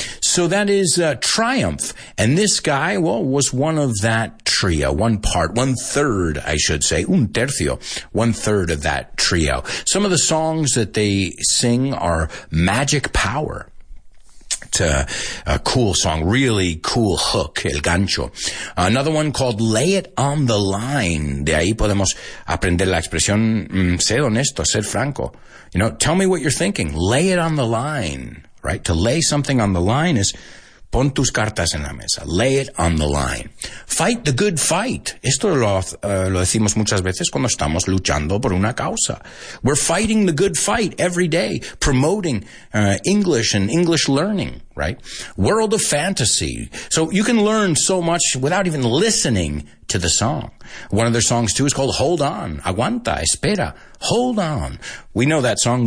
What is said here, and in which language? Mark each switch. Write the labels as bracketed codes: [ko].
[en] So that is Triumph. And this guy, well, was one of that trio, one part, one third, I should say, un tercio, one third of that trio. Some of the songs that they sing are Magic Power. It's a cool song, really cool hook, El Gancho. Another one called Lay It on the Line. [es] De ahí podemos aprender la expresión, ser honesto, ser franco. [en] You know, tell me what you're thinking. Lay it on the line, right? To lay something on the line is pon tus cartas en la mesa. Lay it on the line. Fight the good fight. [es] Esto lo decimos muchas veces cuando estamos luchando por una causa. [en] We're fighting the good fight every day, promoting English and English learning, right? World of Fantasy. So you can learn so much without even listening to the song. One of their songs, too, is called Hold On. Aguanta, espera. Hold on. We know that song.